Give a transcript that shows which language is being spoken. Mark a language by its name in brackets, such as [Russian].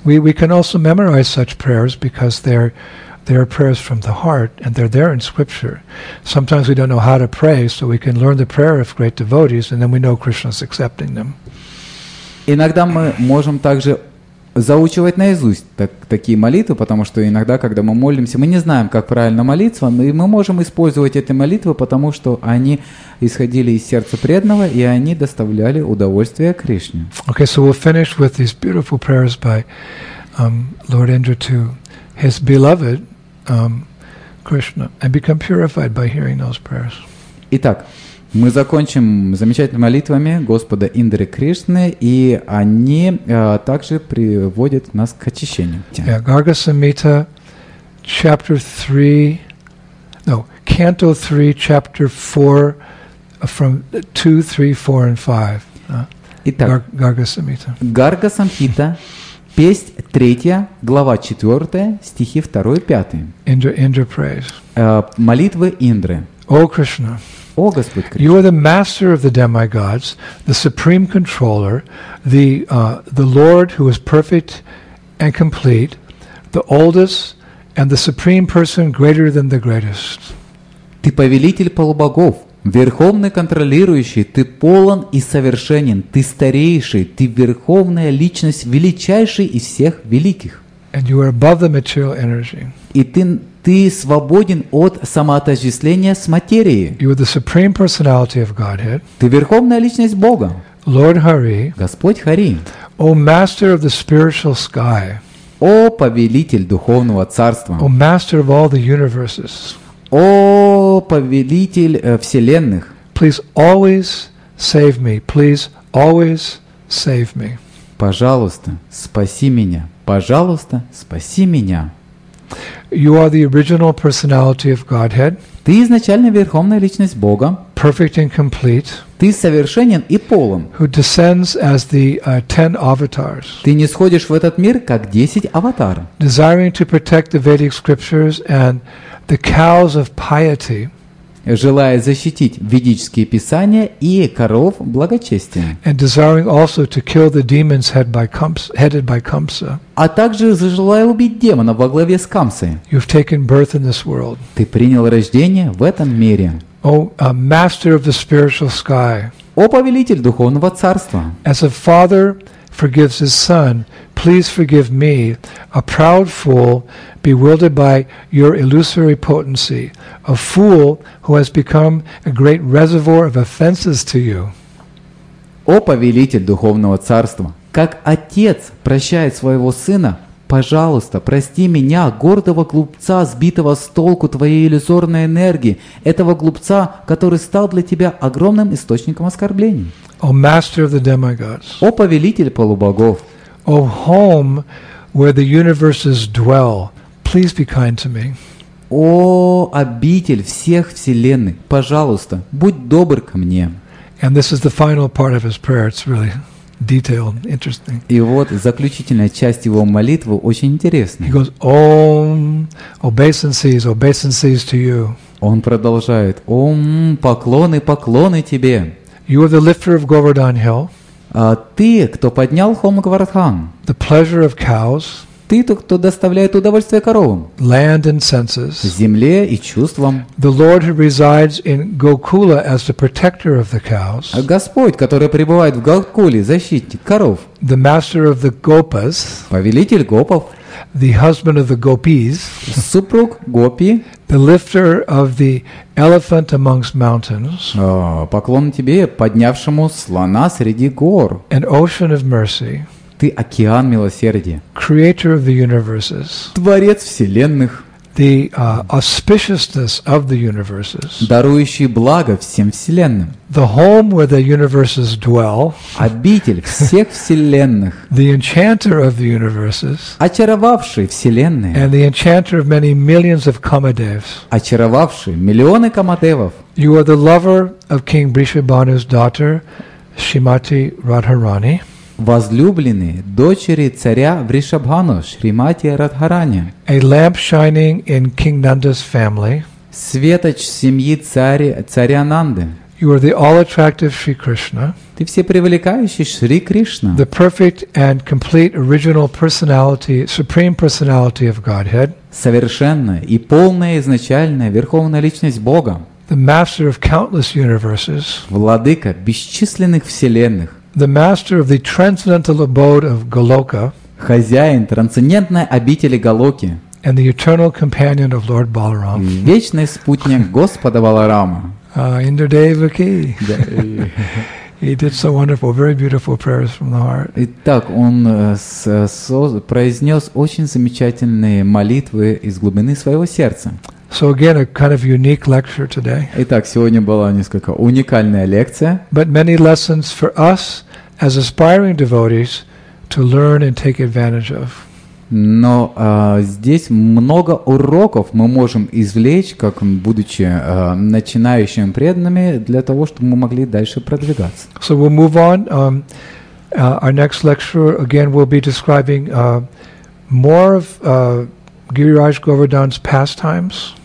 [English] We can also memorize such prayers because they're They are prayers from the heart, and they're there in Scripture. Sometimes we don't know how to pray, so we can learn the prayer of great devotees, and then we know Krishna's accepting them. [Russian] Иногда мы можем также заучивать наизусть такие молитвы, потому что иногда, когда мы молимся, мы не знаем, как правильно молиться, но мы можем использовать эти молитвы, потому что они исходили из сердца преданного, и они доставляли удовольствие Кришне. [English] Okay, so we'll finish with these beautiful prayers by Lord Indra to his beloved Krishna and become purified by hearing those prayers. [Russian] Итак, мы закончим замечательными молитвами Господа Индры Кришны, и они также приводят нас к очищению. [English] Yeah, Garga Samhita, chapter 3, no, Canto 3, chapter 4, from 2, 3, 4, and 5. [Russian] Итак, Garga Samhita. Garga Samhita, песнь 3, глава 4, стихи 2, 5. [English] Indra prays. [Russian] Молитвы Индры. О, Кришна! О, Господь Кришна. [English] You are the master of the demigods, the supreme controller, the Lord who is perfect and complete, the oldest and the supreme person greater than the greatest. [Russian] Ты повелитель полубогов, верховный контролирующий, ты полон и совершенен, ты старейший, ты верховная личность, величайший из всех великих. [English] And you are above the material energy. [Russian] И ты свободен от самоотождествления с материей. [English] You are the supreme personality of Godhead. [Russian] Ты верховная личность Бога. [English] Lord Hari. [Russian] Господь Хари. [English] O master of the spiritual sky. [Russian] О повелитель духовного царства. [English] O master of all the universes. [Russian] О повелитель вселенных. [English] Please always save me. Please always save me. [Russian] Пожалуйста, спаси меня. Пожалуйста, спаси меня. [English] You are the original personality of Godhead. [Russian] Ты изначально верховная личность Бога. [English] Perfect and complete. [Russian] Ты совершенен и полон. [English] Who descends as the 10 avatars. [Russian] Ты нисходишь в этот мир как 10 аватаров. [English] Desiring to protect the Vedic scriptures and the cows of piety. [Russian] Желая защитить ведические писания и коров благочестия. [English] And desiring also to kill the demons headed by Kamsa. [Russian] А также желая убить демона во главе с Камсой. [English] You've taken birth in this world. [Russian] Ты принял рождение в этом мире. [English] O master of the spiritual sky. [Russian] О повелитель духовного царства. [English] As a father forgives his son, please forgive me, a proud fool, bewildered by your illusory potency, a fool who has become a great reservoir of offenses to you. [Russian] О повелитель духовного царства, как отец прощает своего сына, пожалуйста, прости меня, гордого глупца, сбитого с толку твоей иллюзорной энергии, этого глупца, который стал для тебя огромным источником оскорблений. [English] O master of the demigods. [Russian] О повелитель полубогов. [English] O home where the universes dwell. Please be kind to me. [Russian] О обитель всех вселенных, пожалуйста, будь добр ко мне. [English] And this is the final part of his prayer. It's really detailed, interesting. [Russian] И вот заключительная часть его молитвы очень интересная. [English] He goes, Om, obeisances, obeisances to you. [Russian] Он продолжает: Ом, поклоны, поклоны тебе. [English] You are the lifter of Govardhan Hill. [Russian] Ты, кто поднял холм Говардхан. [English] The pleasure of cows. [Russian] Ты, кто доставляет удовольствие коровам. [English] Land and senses. [Russian] Земле и чувствам. [English] The Lord who resides in Gokula as the protector of the cows. [Russian] Господь, который пребывает в Гокуле, защитник коров. [English] The master of the gopas. [Russian] Повелитель гопов. [English] The husband of the gopis. [Russian] Супруг гопи. [English] The lifter of the elephant amongst mountains. [Russian] Поклон тебе, поднявшему слона среди гор. [English] An ocean of mercy. [Russian] Ты океан милосердия. [English] Creator of the universes. [Russian] Творец вселенных. [English] The auspiciousness of the universes. [Russian] Дарующий благо всем вселенным. [English] The home where the universes dwell. [Russian] Обитель всех вселенных. [English] The enchanter of the universes. [Russian] Очаровавший вселенные. [English] And the enchanter of many millions of Kamadevs. [Russian] Очаровавший миллионы Камадевов. [English] You are the lover of King Brishabhanu's daughter, Shrimati Radharani. [Russian] Возлюбленные дочери царя Вришабхану Шримати Радхарани. [English] A lamp shining in King Nanda's family. [Russian] Светоч семьи царя Нанды. [English] You are the all-attractive Shri Krishna. [Russian] Ты всепривлекающий Шри Кришна. [English] The perfect and complete original personality, supreme personality of Godhead. [Russian] Совершенная и полная изначальная верховная личность Бога. [English] The master of countless universes. [Russian] Владыка бесчисленных вселенных. [English] The master of the transcendental abode of Goloka. [Russian] Хозяин трансцендентной обители Голоки. [English] And the eternal companion of Lord Balaram. [Russian] Вечный спутник Господа Баларама. [Hindi] Indradeva ki. [English] He did so wonderful, very beautiful prayers from the heart. [Russian] Итак, он произнес очень замечательные молитвы из глубины своего сердца. [English] So again, a kind of unique lecture today. [Russian] Итак, сегодня была несколько уникальная лекция. [English] But many lessons for us as aspiring devotees to learn and take advantage of. [Russian] Но здесь много уроков мы можем извлечь, как будучи начинающими преданными, для того, чтобы мы могли дальше продвигаться. [English] So we'll move on. Our next lecture again will be describing more of Giriraj Govardhan's pastimes.